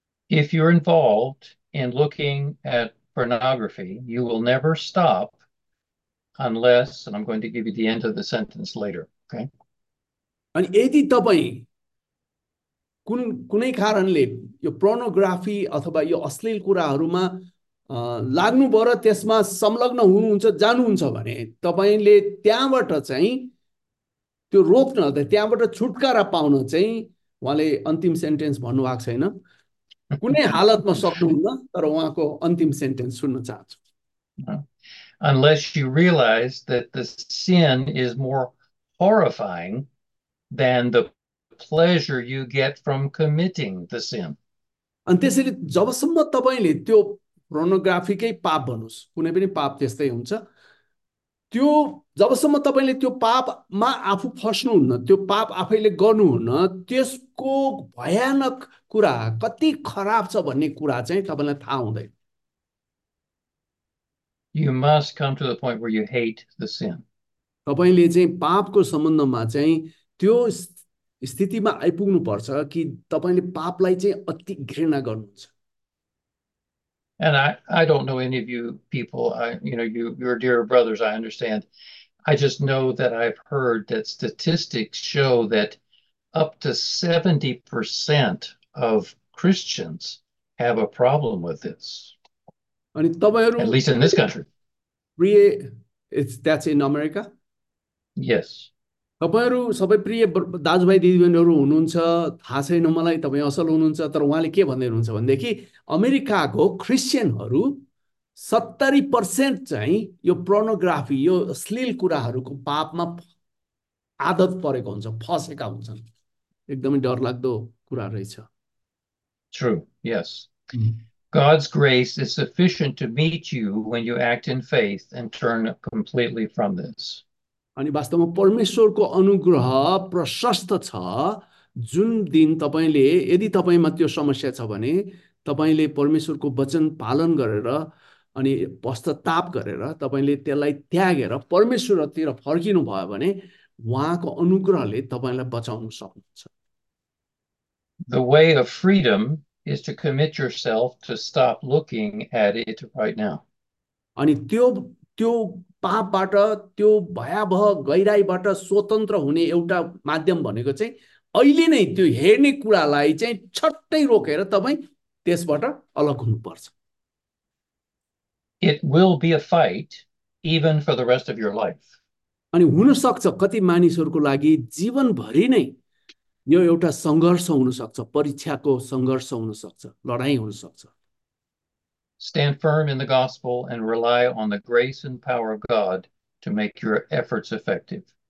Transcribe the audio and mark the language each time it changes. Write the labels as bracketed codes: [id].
[en] If you're involved, in looking at pornography, you will never stop unless, and I'm going to give you the end of the sentence later, okay? [ne] अनि यदि तपाईँ कुन कुनै कारणले यो pornography अथवा यो अश्लील कुराहरूमा लाग्नुभयो र त्यसमा संलग्न हुनुहुन्छ जानुहुन्छ भने तपाईँले त्यहाँबाट चाहिँ त्यो रोक्न त त्यहाँबाट छुटकारा पाउन चाहिँ उहाँले अन्तिम सेन्टेन्स भन्नुभएको छैन कुनै हालतमा सक्नुहुन्न तर उहाँको अन्तिम सेन्टेन्स सुन्न चाहन्छु. [en] Unless you realize that the sin is more horrifying than the pleasure you get from committing the sin. [ne] अनि त्यसरी जबसम्म तपाईँले त्यो प्रोनोग्राफीकै पाप भन्नुहोस् कुनै पनि पाप त्यस्तै हुन्छ त्यो जबसम्म तपाईँले त्यो पापमा आफू फस्नुहुन्न त्यो पाप आफैले गर्नुहुन्न त्यसको भयानक कुरा कति खराब छ भन्ने कुरा चाहिँ तपाईँलाई थाहा हुँदैन. [en] You must come to the point where you hate the sin. [ne] तपाईँले चाहिँ पापको सम्बन्धमा चाहिँ त्यो स्थितिमा आइपुग्नु पर्छ कि तपाईँले पापलाई चाहिँ अति घृणा गर्नुहुन्छ. [en] And I don't know any of you people. You're dear brothers, I understand. I just know that I've heard that statistics show that up to 70% of Christians have a problem with this. [ne] अनि तपाईँहरू [en] At least in this country. प्रिय it's that's in America Yes. [ne] तपाईँहरू सबै प्रिय दाजुभाइ दिदीबहिनीहरू हुनुहुन्छ थाहा छैन मलाई तपाईँ असल हुनुहुन्छ तर उहाँले के भन्दै हुनुहुन्छ भनेदेखि अमेरिकाको क्रिस्चियनहरू 70% चाहिँ यो प्रोनोग्राफी यो अश्लील कुराहरूको पापमा आदत परेको हुन्छ फसेका हुन्छन् एकदमै डरलाग्दो कुरा रहेछ. [en] True, yes. God's grace is sufficient to meet you when you act in faith and turn completely from this. [ne] अनि वास्तवमा परमेश्वरको अनुग्रह प्रशस्त छ जुन दिन तपाईँले यदि तपाईँमा त्यो समस्या छ भने तपाईँले परमेश्वरको वचन पालन गरेर अनि पश्चाताप गरेर तपाईँले त्यसलाई त्यागेर परमेश्वरतिर फर्किनु भयो भने उहाँको अनुग्रहले तपाईँलाई बचाउन सक्नुहुन्छ. [en] The way of freedom is to commit yourself to stop looking at it right now. [ne] अनि त्यो त्यो पापबाट त्यो भयावह गहिराईबाट स्वतन्त्र हुने एउटा माध्यम भनेको चाहिँ अहिले नै त्यो हेर्ने कुरालाई चाहिँ छट्टै रोकेर तपाईँ त्यसबाट अलग हुनुपर्छ. [en] It will be a fight even for the rest of your life. [ne] अनि हुनसक्छ कति मानिसहरूको लागि जीवनभरि नै यो एउटा सङ्घर्ष हुनसक्छ परीक्षाको सङ्घर्ष हुनसक्छ लडाइँ हुनसक्छ. [en] Stand firm in the gospel and rely on the grace and power of God to make your efforts effective.